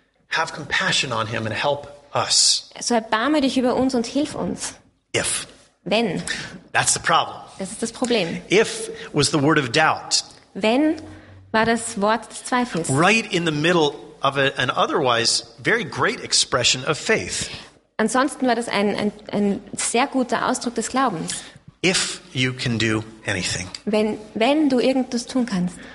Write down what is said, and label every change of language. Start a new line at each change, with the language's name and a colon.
English: have compassion on him and help us.
German: So erbarme dich über uns und hilf uns.
English: If.
German: Wenn.
English: That's the problem.
German: Das ist das Problem.
English: If was the word of doubt.
German: Wenn war das Wort des Zweifels.
English: Right in the middle of an otherwise very great expression of faith.
German: Ansonsten war das ein sehr guter Ausdruck des Glaubens.
English: If you can do anything.
German: Wenn du irgendwas tun kannst.